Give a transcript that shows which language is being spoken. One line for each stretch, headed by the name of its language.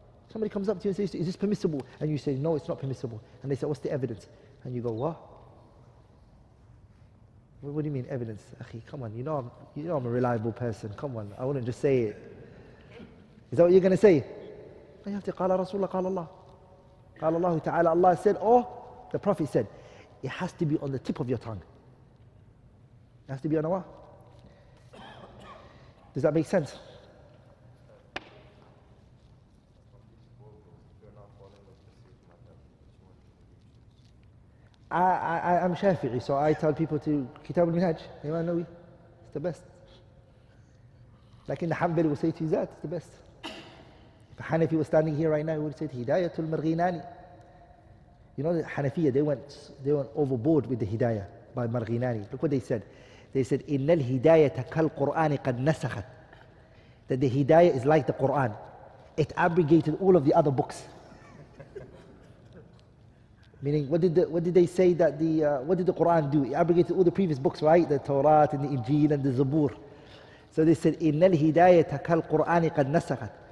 English: Somebody comes up to you and says, is this permissible? And you say, no, it's not permissible. And they say, what's the evidence? And you go, what? What do you mean, evidence? Akhi, come on, you know I'm a reliable person. Come on, I wouldn't just say it. Is that what you're going to say?
Arabic: You have to, قَالَ رَسُولَ قَالَ اللَّهُ قَالَ اللَّهُ تَعَالَى.
English: Allah said, oh, the Prophet said, it has to be on the tip of your tongue. It has to be on what? Does that make sense? I'm Shafi'i, so I tell people to Kitab al-Minhaj, Imam al-Nawi, it's the best. Like in the Hanbali, we'll say to you that, it's the best. If a Hanafi was standing here right now, he would say, Hidayatul Marghinani. You know the Hanafiya, they went overboard with the Hidayah by Marghinani. Look what they said.
Arabic: They said, إِنَّ الْهِدَايَةَ كَالْقُرْآنِ قَدْ نَسَخَتْ.
English: That the Hidayah is like the Qur'an. It abrogated all of the other books. Meaning, what did the Qur'an do? It abrogated all the previous books, right? The Torah and the Injil and the Zabur.
Arabic: So they said, إِنَّ الْهِدَايَةَ كَالْقُرْآنِ قَدْ نَسَخَتْ.